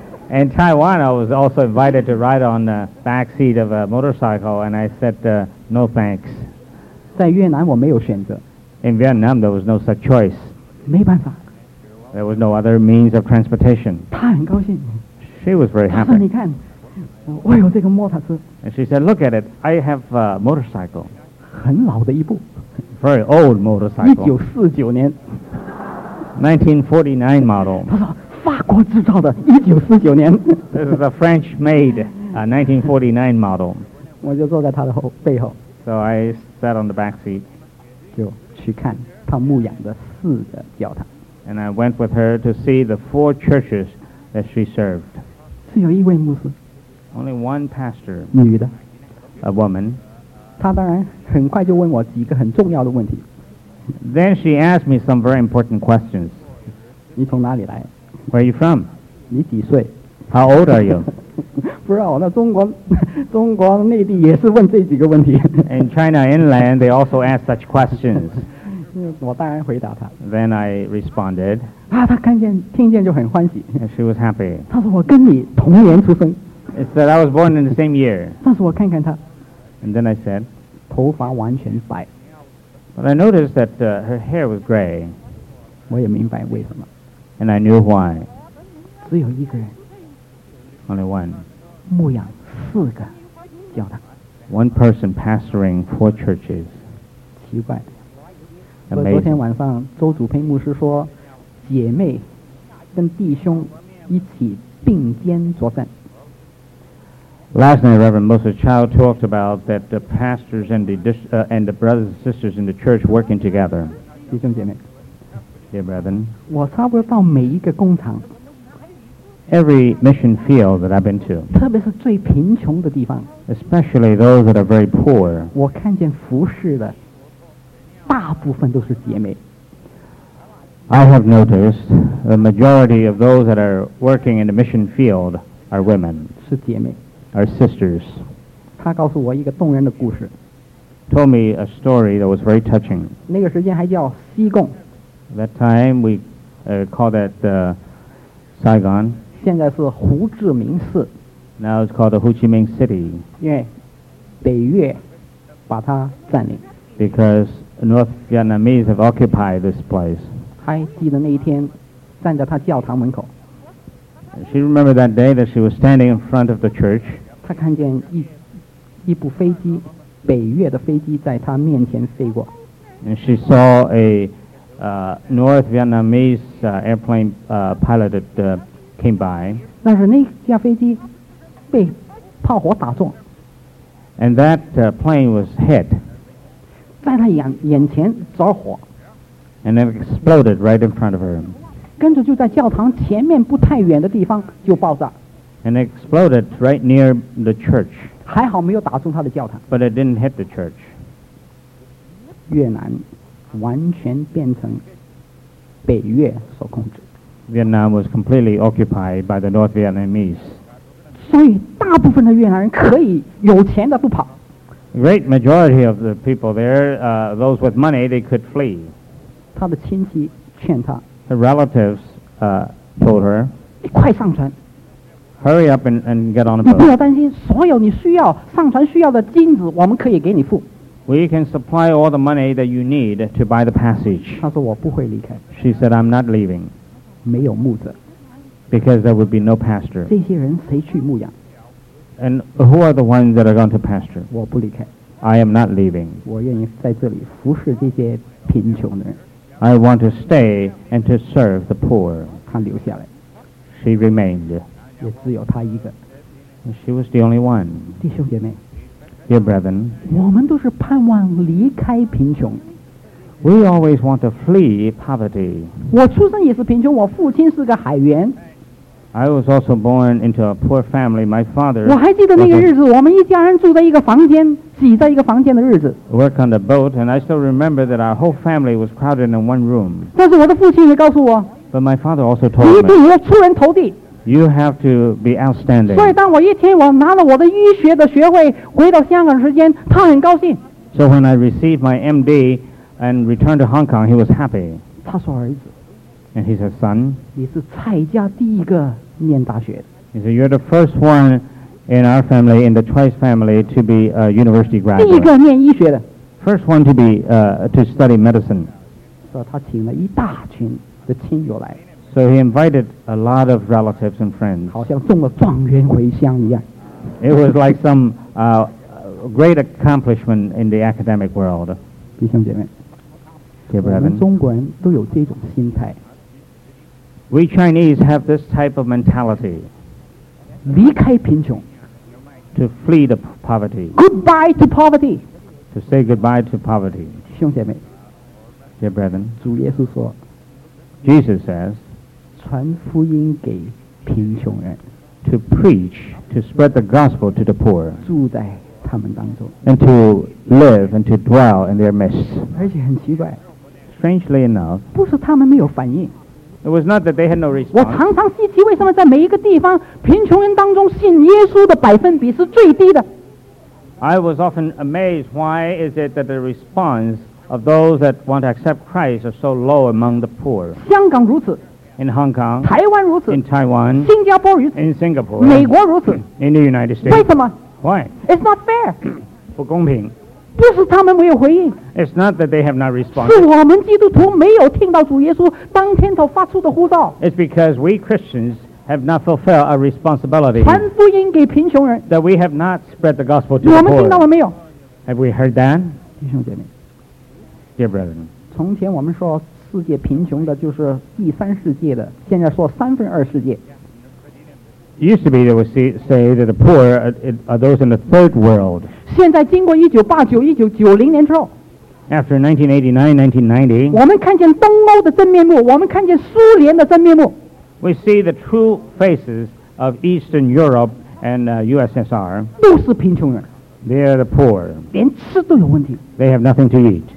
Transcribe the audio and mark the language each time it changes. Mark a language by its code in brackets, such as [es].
[en] In Taiwan, I was also invited to ride on the back seat of a motorcycle, and I said, no thanks. [zh] 在越南我没有选择。 [en] In Vietnam, there was no such choice. [zh] 没办法。 [en] There was no other means of transportation. [zh] 她很高兴。 [en] She was very happy. [zh] 她说你看，我有这个摩托车。 [en] And she said, look at it, I have a motorcycle. [zh] 很老的一部。 [en] Very old motorcycle. [zh] 1949年 [en] 1949 model. [zh] 他说法国制造的1949年 [en] This is a French made 1949 model. [zh] 我就坐在他的后背后。 [en] So I sat on the back seat. [zh] 就去看他牧养的四个教堂。 [en] And I went with her to see the 4 churches that she served. [zh] 只有一位牧师。 [en] Only one pastor. [zh] 女的。 [en] A woman. [zh] 他当然很快就问我几个很重要的问题。 [en] Then she asked me some very important questions. [zh] 你从哪里来？ [en] Where are you from? [zh] 你几岁？ [en] How old are you? [zh] 不知道，那中国内地也是问这几个问题。 [en] In China inland, they also ask such questions. [zh] 我当然回答他。 [en] Then I responded. [zh] 啊，他看见听见就很欢喜。 [en] And she was happy. [zh] 他说我跟你同年出生。 [en] It said I was born in the same year. [zh] 但是我看看他。 [en] And then I said, [zh] 头发完全白。 [en] But I noticed that her hair was gray. [zh] 我也明白为什么。 [en] And I knew why. [zh] 只有一个人。 [en] Only one. [zh] 牧养四个教堂。 [en] One person pastoring 4 churches. [zh] 奇怪。 [en] Amazing. [zh] 昨天晚上周祖培牧师说，姐妹跟弟兄一起并肩作战。 [en] Last night, Reverend Moses Chow talked about that the pastors and the brothers and sisters in the church working together. [zh] 弟兄姐妹 [en] Dear brethren, [zh] 我差不多到每一个工厂 [en] every mission field that I've been to, [zh] 特别是最贫穷的地方 [en] especially those that are very poor, [zh] 我看见服侍的大部分都是姐妹 [en] I have noticed the majority of those that are working in the mission field are women. [zh] 是姐妹 [en] Our sisters. [zh] 他告诉我一个动人的故事。 [en] Told me a story that was very touching. [zh] 那个时间还叫西贡。 [en] That time we called that Saigon. [zh] 现在是胡志明市。 [en] Now it's called the Ho Chi Minh City. [zh] 因为北越把它占领。 [en] Because North Vietnamese have occupied this place. [zh] 还记得那一天站在他教堂门口。 [en] She remembered that day that she was standing in front of the church. [zh] 她看见一部飞机，北越的飞机在她面前飞过。 [en] And she saw a North Vietnamese airplane pilot that came by. [zh] 那是那架飞机被炮火打中。 [en] And that plane was hit. [zh] 在她眼前着火。 [en] And it exploded right in front of her. [zh] 跟着就在教堂前面不太远的地方就爆炸。 [en] And it exploded right near the church. [zh] 还好没有打中他的教堂。 [en] But it didn't hit the church. [zh] 越南完全变成北越所控制。 [en] Vietnam was completely occupied by the North Vietnamese. [zh] 所以大部分的越南人可以有钱的不跑。 [en] Great majority of the people there, those with money, they could flee. [zh] 他的亲戚劝他 [en] Her relatives told her [zh] 你快上船 [en] Hurry up and get on a boat [zh] 你不要担心所有你需要上船需要的金子我们可以给你付 [en] We can supply all the money that you need to buy the passage [zh] 他说我不会离开 [en] She said I'm not leaving [zh] 没有牧者 [en] Because there would be no pastor [zh] 这些人谁去牧养 [en] And who are the ones that are going to pastor [zh] 我不离开 [en] I am not leaving [zh] 我愿意在这里服侍这些贫穷的人 [en] I want to stay and to serve the poor. [zh] 她留下来。 [en] She remained. [zh] 也只有她一个。 [en] She was the only one. [zh] 弟兄姐妹。 [en] Dear brethren. [zh] 我们都是盼望离开贫穷。 [en] We always want to flee poverty. [zh] 我出生也是贫穷，我父亲是个海员。 [en] I was also born into a poor family. My father. [zh] 我还记得那个日子，我们一家人住在一个房间。挤在一个房间的日子 [en] work on the boat and I still remember that our whole family was crowded in one room [zh] 但是我的父亲也告诉我 [en] but my father also told [zh] me 你一定要出人头地 [en] you have to be outstanding [zh] 所以当我一天我拿了我的医学的学位回到香港时间他很高兴 [en] so when I received my MD and returned to Hong Kong he was happy [zh] 他说儿子 [en] and he said son [zh] 你是蔡家第一个念大学的 [en] he said you're the first oneIn our family, in the Twice family, to be a university graduate. [zh] 第一个念医学的。 [en] First one to be to study medicine. [zh] 所以他请了一大群的亲友来。 [en] So he invited a lot of relatives and friends. [zh] 好像中了状元回乡一样。 [en] It was like some great accomplishment in the academic world. [zh] 弟兄姐妹。 [en] Dear brethren. [zh] 我们中国人都有这种心态。 [en] We Chinese have this type of mentality. [zh] 离开贫穷 [en] to flee the poverty goodbye to poverty to say goodbye to poverty [zh] 兄姐妹 [en] dear brethren [zh] 主耶稣说 [en] Jesus says [zh] 传福音给贫穷人 [en] to preach to spread the gospel to the poor [zh] 住在他们当中 [en] and to live and to dwell in their midst [zh] 而且很奇怪 [en] strangely enough [zh] 不是他们没有反应 [en] It was not that they had no response. [zh] 我常常稀奇为什么在每一个地方贫穷人当中信耶稣的百分比是最低的。 [en] I was often amazed why is it that the response of those that want to accept Christ are so low among the poor. [zh] 香港如此。 [en] In Hong Kong. [zh] 台湾如此。 [en] In Taiwan. [zh] 新加坡如此。 [en] In Singapore. [zh] 美国如此。 [en] In the United States. [zh] 为什么 [en] ？Why? It's not fair. [zh] 不公平。不是他们没有回应 [en] It's not that they have not responded [zh] 是我们基督徒没有听到主耶稣当天头发出的呼召 [en] It's because we Christians have not fulfilled our responsibility [zh] 传福音给贫穷人 [en] That we have not spread the gospel to the poor [zh] 我们听到了没有 [en] Have we heard that? [zh] 弟兄姐妹 [en] Dear brethren [zh] 从前我们说世界贫穷的就是第三世界的现在说三分二世界 [en] It used to be that we say that the poor are those in the third world [zh] 现在经过1989-1990年之后 [en] After 1989-1990 [zh] 我们看见东欧的真面目我们看见苏联的真面目 [en] We see the true faces of Eastern Europe and USSR [zh] 都是贫穷人 [en] They are the poor [zh] 连吃都有问题 [en] They have nothing to eat